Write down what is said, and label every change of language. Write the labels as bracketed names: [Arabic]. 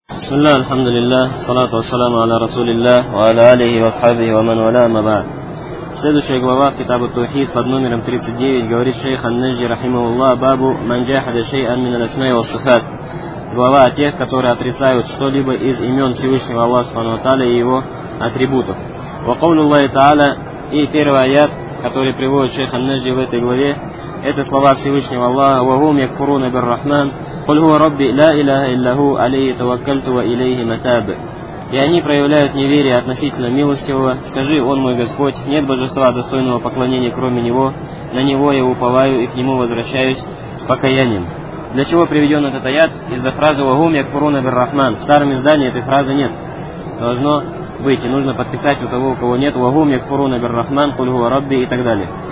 [Arabic] بسم الله الحمد لله صلاة والسلام على رسول الله وعلى آله وصحبه ومن ولا ما بعد. [Russian] Следующая глава китаба Тухид под номером 39 говорит шейх ан-Нажди [Arabic] رحمه الله باب من جحد شيئا من الأسماء والصفات. [Russian] Глава о тех, которые отрицают что-либо из имен Всевышнего Аллаха Субхану ва Тааля и его атрибутов. [Arabic] وقول الله تعالى [Russian] и первый аят, который приводит шейх ан-Нажди в этой главе, это слова Всевышнего Аллаха: [Arabic] وهم يكفرون بالرحمن قل هو ربي لا إله إلا هو عليه توكلت وإليه متاب. [Russian] И они проявляют неверие относительно милостивого. Скажи, он мой Господь, нет божества достойного поклонения кроме Него, на Него я уповаю и к Нему возвращаюсь с покаянием. Для чего приведен этот аят? Из-за фразы [Arabic] «Вагум якфуруна биррахман». [Russian] В старом издании этой фразы нет. Должно быть, и нужно подписать у того, у кого нет, [Arabic] «Вагум якфуруна биррахман», «Куль гуа Рабби» [Russian] и так далее.